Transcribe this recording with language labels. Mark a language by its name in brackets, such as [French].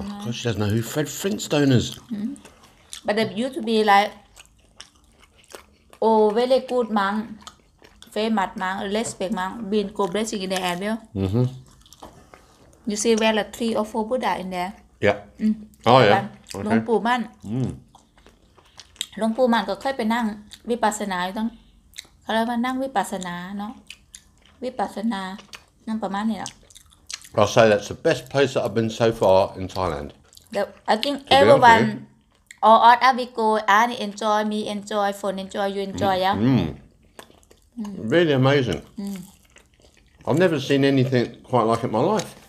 [English] Oh, God, she doesn't know who Fred Flintstone is. Mm-hmm. But they used to be like, oh, very good man, famous man, respect man, being good blessing in the area. Mm-hmm. You see where the three or four Buddha in there? Yeah. Mm-hmm. Oh, yeah. Okay. Long Pu Man. [Thai] Long Pu Man ก็เคยไปนั่งวิปัสสนาอยู่ตรงเขาเรียกว่านั่งวิปัสสนาเนาะวิปัสสนานั่งประมาณนี้แหละ [English] I'll say that's the best place that I've been so far in Thailand. I think everyone, all of us, we go and enjoy, me enjoy, fun enjoy, you enjoy, yeah? Really amazing. I've never seen anything quite like it in my life.